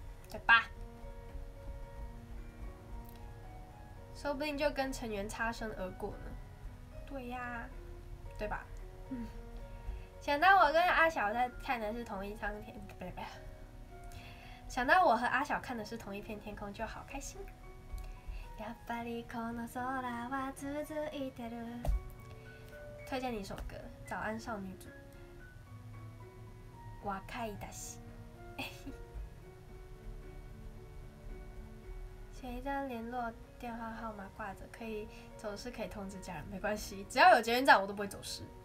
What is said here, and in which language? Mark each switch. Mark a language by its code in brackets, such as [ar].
[zh] 对吧，说不定就跟成员擦身而过呢。对呀，对吧。嗯，想到我跟阿小在看的是同一张天，想到我和阿小看的是同一片天空，就好开心。 [ja] やっぱりこの空は続いてる。 [zh] 推荐你一首歌，《早安少女组》。 [ja] 若いだし。 [zh] 写一张联络电话号码挂着，可以走失可以通知家人，没关系，只要有捷运站，我都不会走失。